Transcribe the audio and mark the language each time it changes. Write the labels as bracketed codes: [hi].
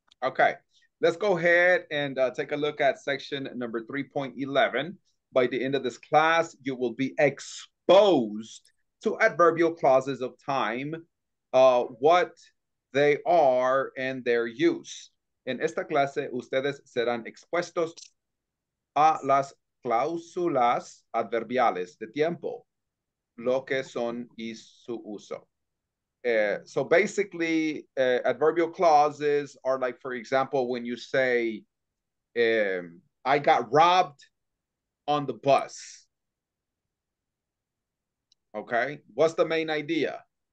[en] Okay, let's go ahead and take a look at section number 3.11. By the end of this class, you will be exposed to adverbial clauses of time, what they are, and their use. [es] En esta clase, ustedes serán expuestos a las cláusulas adverbiales de tiempo, lo que son y su uso. [en] So basically, adverbial clauses are like, for example, when you say, I got robbed on the bus. Okay, what's the main idea?